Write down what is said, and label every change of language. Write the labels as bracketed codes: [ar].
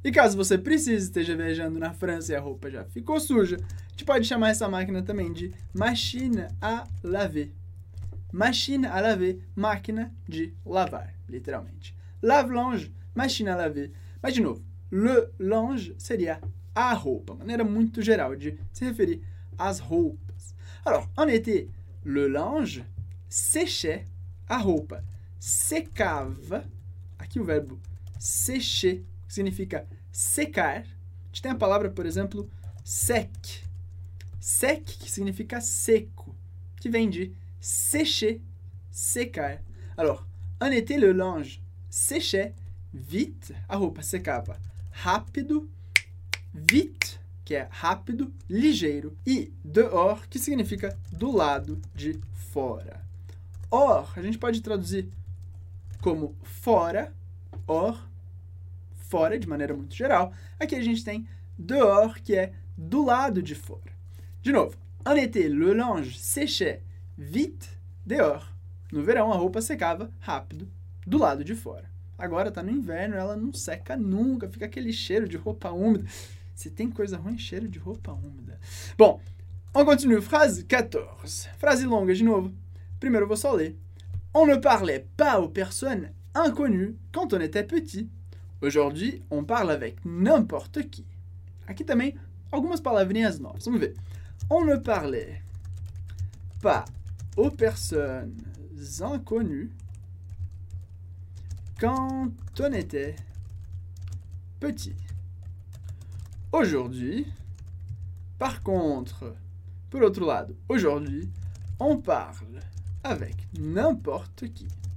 [pt] E caso você precise, esteja viajando na França e a roupa já ficou suja, a gente pode chamar essa máquina também de [fr] machine à laver. Machine à laver, [pt] máquina de lavar, literalmente. [fr] Lave-linge, machine à laver. [pt] Mas de novo, [fr] le linge seria [pt] à roupa, maneira muito geral de se referir às roupas. [fr] Alors, en été, le linge séchait [pt] à roupa. Secava, aqui o verbo sécher, que significa secar. A gente tem a palavra, por exemplo, sec. Sec, que significa seco, que vem de sécher, secar. [fr] Alors, en été, le linge séchait vite, [pt] a roupa secava rápido, vite, que é rápido, ligeiro, e dehors, que significa do lado de fora. Or, a gente pode traduzir como fora, or, fora, de maneira muito geral. Aqui a gente tem dehors, que é do lado de fora. [fr] De novo, en été, le linge séchait vite, dehors. [pt] No verão, a roupa secava rápido, do lado de fora. Agora tá no inverno, ela não seca nunca, fica aquele cheiro de roupa úmida. Se tem coisa ruim, cheiro de roupa úmida. Bom, [fr] on continue, phrase 14. [pt] Frase longa de novo. Primeiro eu vou só ler. [fr] On ne parlait pas aux personnes inconnues quand on était petit. Aujourd'hui, on parle avec n'importe qui. [pt] Aqui também, algumas palavrinhas novas. Vamos ver. [fr] On ne parlait pas aux personnes inconnues quand on était petit. Aujourd'hui, par contre, pour l'autre [pt] lado, [fr] aujourd'hui, on parle avec n'importe qui.